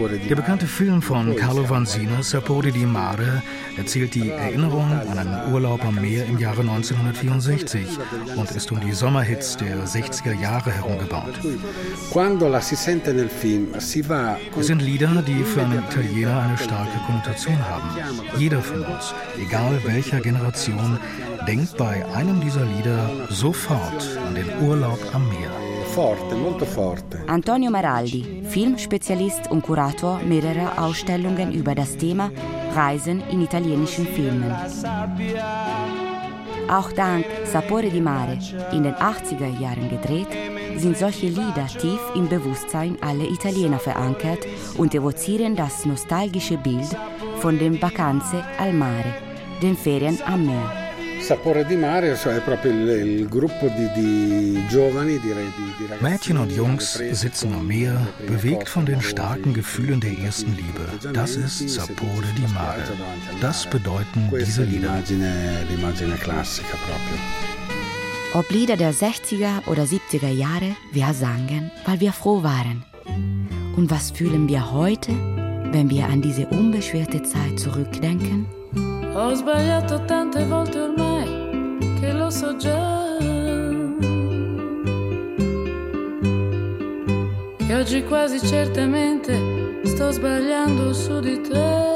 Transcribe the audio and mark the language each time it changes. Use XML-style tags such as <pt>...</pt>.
<de>Der bekannte Film von Carlo Vanzina, Sapore di Mare, erzählt die Erinnerung an einen Urlaub am Meer im Jahre 1964 und ist um die Sommerhits der 60er Jahre herumgebaut.</de> <it>Quando la si sente nel film, si va.</it> <de>Es sind Lieder, die für einen Italiener eine starke Konnotation haben. Jeder von uns, egal welcher Generation, denkt bei einem dieser Lieder sofort an den Urlaub am Meer.</de> <it>Forte, molto forte.</it> <de>Antonio Maraldi, Filmspezialist und Kurator mehrerer Ausstellungen über das Thema Reisen in italienischen Filmen. Auch dank Sapore di Mare, in den 80er Jahren gedreht, sind solche Lieder tief im Bewusstsein aller Italiener verankert und evozieren das nostalgische Bild von den</de> <it>Vacanze al Mare,</it> <de>den Ferien am Meer.</de> <it>Sapore di Mare è proprio il gruppo di giovani, direi, di ragazzi.</it> <de>Mädchen und Jungs sitzen am Meer, bewegt von den starken Gefühlen der ersten Liebe. Das ist Sapore di Mare. Das bedeuten diese Lieder.</de> <it>L'immagine classica proprio.</it> <de>Ob Lieder der 60er oder 70er Jahre, wir sangen, weil wir froh waren. Und was fühlen wir heute, wenn wir an diese unbeschwerte Zeit zurückdenken?</de> <it>Ho sbagliato tante volte ormai, che lo so già. E oggi quasi certamente sto sbagliando su di te.</it>